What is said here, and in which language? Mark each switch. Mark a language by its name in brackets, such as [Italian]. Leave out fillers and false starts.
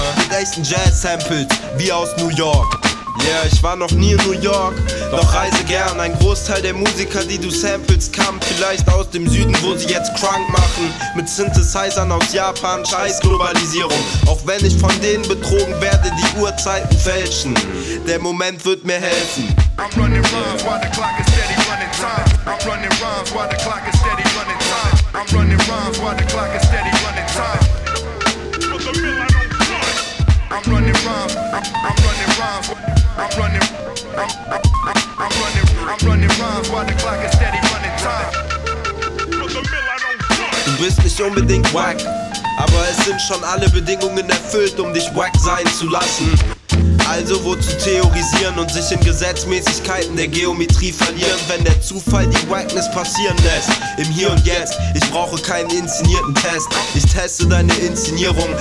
[German] Mit echten Jazz-Samples, wie aus New York. Yeah, ich war noch nie in New York, doch reise gern. Ein Großteil der Musiker, die du samplest, kam vielleicht aus dem Süden, wo sie jetzt krank machen. Mit Synthesizern aus Japan, scheiß Globalisierung. Auch wenn ich von denen betrogen werde, die Uhrzeiten fälschen. Der Moment wird mir helfen. [English] I'm running rhymes while the clock is steady running time. I'm running rhymes while the clock is steady running time. I'm running rhymes while the clock is steady running time. I'm running rhymes. I'm running rhymes. I'm running. I'm running. I'm running rhymes while the clock is steady running time. [German] Du bist nicht unbedingt wack, aber es sind schon alle Bedingungen erfüllt, um dich wack sein zu lassen. Also wozu theorisieren und sich in Gesetzmäßigkeiten der Geometrie verlieren, wenn der Zufall die Wackness passieren lässt. Im Hier und Jetzt, ich brauche keinen inszenierten Test. Ich teste deine Inszenierung.